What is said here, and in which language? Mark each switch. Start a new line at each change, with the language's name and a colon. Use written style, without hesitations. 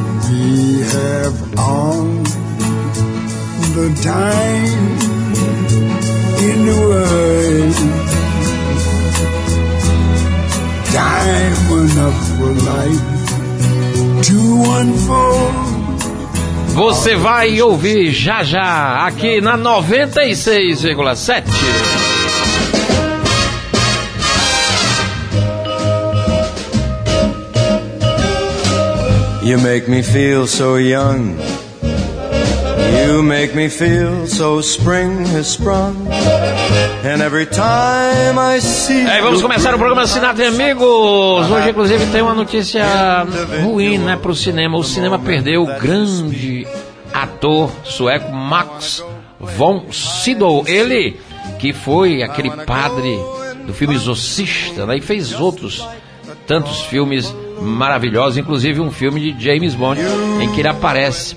English: We have all the time in the world. Time enough for life to unfold.
Portuguese: Você vai ouvir já já aqui na 96,7.
English: You make me feel so young. You make me feel so spring has sprung. And every time I see.
Portuguese: Aí vamos começar o programa Sinatra, amigos. Hoje, inclusive, tem uma notícia ruim, né, pro cinema. O cinema perdeu o grande ator sueco Max von Sydow. Ele que foi aquele padre do filme Exorcista, né, e fez outros tantos filmes maravilhosos, inclusive um filme de James Bond em que ele aparece.